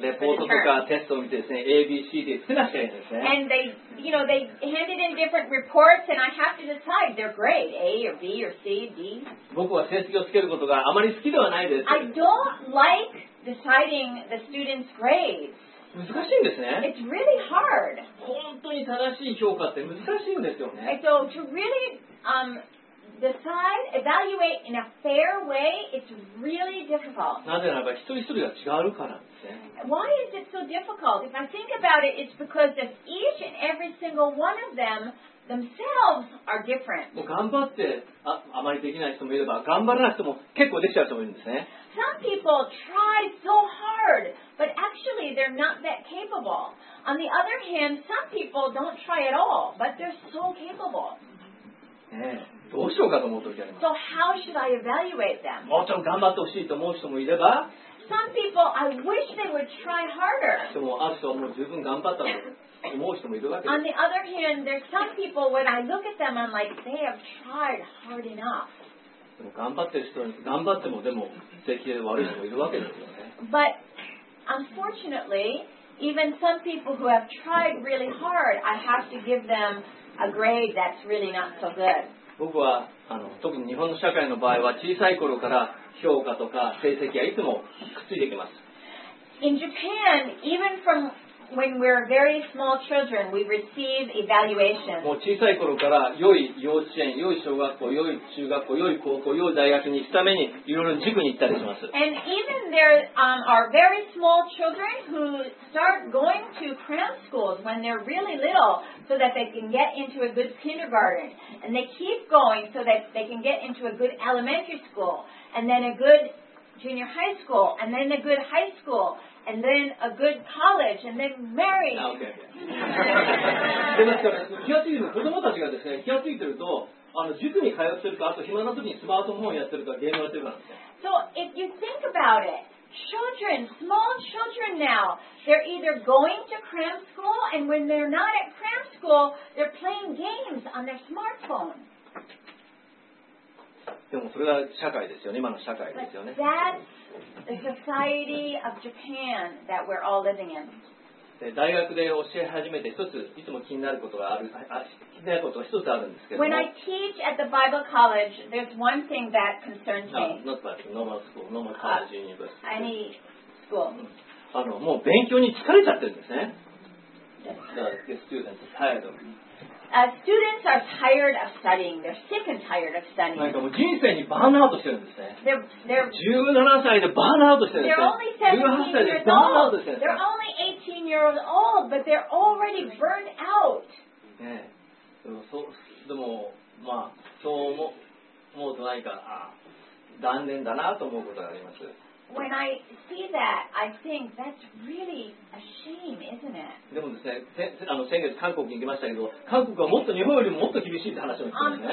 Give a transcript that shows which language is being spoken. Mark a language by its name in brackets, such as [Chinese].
[Japanese] レポートとかテストを見てですね、A、B、C でつけなくてはいけませんね。 [English] And they,you know, they handed in different reports and I have to decide their grade, A or B or C, D. [Japanese] 僕は成績をつけることがあまり好きではないです。 [English] I don't like deciding the students' grades. [Japanese] 難しいんですね。 [English] It's really hard. [Japanese] 本当に正しい評価って難しいんですよね。 [English] So to really decide, evaluate in a fair way, it's really difficult. [Japanese] なぜならば一人一人が違うからです。 [English] Why is it so difficult? If I think about it, it's because if each and every single one of them themselves are different. [Japanese] もう頑張って あまりできない人もいれば、頑張らなくても結構できちゃう人もいるんですね。 [English] Some people try so hard, but actually they're not that capable. On the other hand, some people don't try at all, but they're so capable. [Japanese] ね、どうしようかと思う時あります。 [English] So how should I evaluate them? [Japanese] もちろん頑張ってほしいと思う人もいれば、 [English] Some people, I wish they would try harder. [Japanese] でもある人はもう十分頑張ったと思う人もいるわけです。 [English] On the other hand, there's some people when I look at them, I'm like, they have tried hard enough. [Japanese] でも頑張ってる人に頑張ってもでも出来が悪い人もいるわけですよね。 [English] But unfortunately, even some people who have tried really hard, I have to give them a grade that's really not so good. [Japanese] 僕は特に日本の社会の場合は小さい頃から評価とか成績はいつもくっついてきます。 [English] In Japan, even from when we're very small children, we receive evaluation. [Japanese] もう小さい頃から良い幼稚園、良い小学校、良い中学校、良い高校、良い大学に行くためにいろいろ塾に行ったりします。 [English] And even there are very small children who start going to cram schools when they're really little so that they can get into a good kindergarten. And they keep going so that they can get into a good elementary school. And then a good junior high school, and then a good high school, and then a good college, and then married. Okay. [Japanese] でも、気がついてる子供たちがですね、気がついてると、塾に通ってるか、あと暇な時にスマートフォンやってるか、ゲームやってるかなんですね。 [English] So if you think about it, children, small children now, they're either going to cram school, and when they're not at cram school, they're playing games on their smartphone. [Japanese] でもそれが社会ですよね、今の社会ですよね。 [English] That's the society of Japan that we're all living in. [Japanese] で大学で教え始めて一ついつも気になることがある、気になることが一つあるんですけども。 [English] When I teach at the Bible College, there's one thing that concerns me. Not that, normal school, normal college, university. Any school. [Japanese] もう勉強に疲れちゃってるんですね。 [English] The students are tired of me. Students are tired of studying. They're sick and tired of studying. [Japanese] なんかもう人生にバーンアウトしてるんですね。 17 歳でバーンアウトしてるんですね。 [English] They're only 17 years old. They're only 18 years old, but they're already burned out. [Japanese] ね、でもまあそう思うと何か残念だなと思うことがあります。 [English] When I see that, I think that's really a shame, isn't it? [Japanese] でもですね、先月韓国に行きましたけど、韓国はもっと日本よりももっと厳しいって話をしてますね。